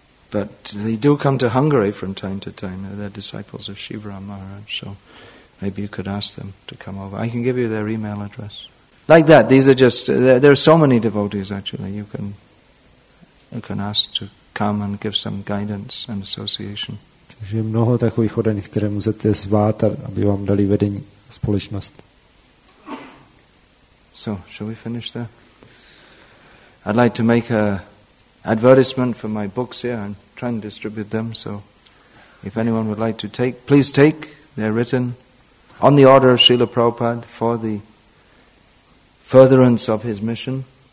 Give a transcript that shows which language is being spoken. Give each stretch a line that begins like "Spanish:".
English: But they do come to Hungary from time to time. They're disciples of Shivaram Maharaj, so maybe you could ask them to come over. I can give you their email address. Like that, these are just... There are so many devotees, actually. You can ask to come and give some guidance and association.
Czech: Takže je mnoho takových oden, které můžete zvát, aby vám dali vedení a společnost.
English: So, shall we finish there? I'd like to make a... advertisement for my books here. I'm trying to distribute them, so if anyone would like to take, please take. They're written on the order of Srila Prabhupada for the furtherance of his mission.